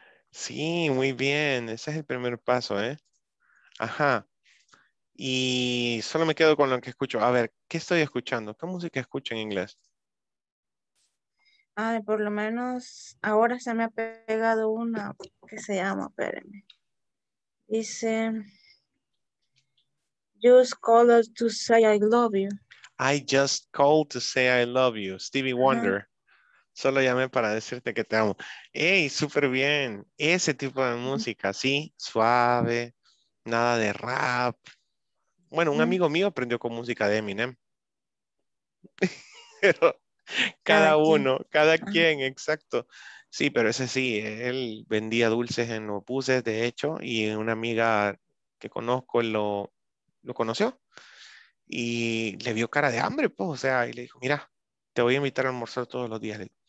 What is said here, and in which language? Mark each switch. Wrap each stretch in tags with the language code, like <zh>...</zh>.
<es>Sí, muy bien. Ese es el primer paso, Ajá. Y solo me quedo con lo que escucho. A ver, ¿qué estoy escuchando? ¿Qué música escucho en inglés? Ay, por lo menos ahora se me ha pegado una que se llama, espérenme. Dice,</es> <en>just call to say I love you. I just called to say I love you.</en> <es>Stevie Wonder. Solo llamé para decirte que te amo. ¡Ey! ¡Súper bien! Ese tipo de música, sí, suave, nada de rap. Bueno, un amigo mío aprendió con música de Eminem. cada quien, exacto. Sí, pero ese sí, él vendía dulces en los buses, de hecho, y una amiga que conozco lo conoció y le vio cara de hambre, pues, o sea, y le dijo, mira, te voy a invitar a almorzar todos los días.</es>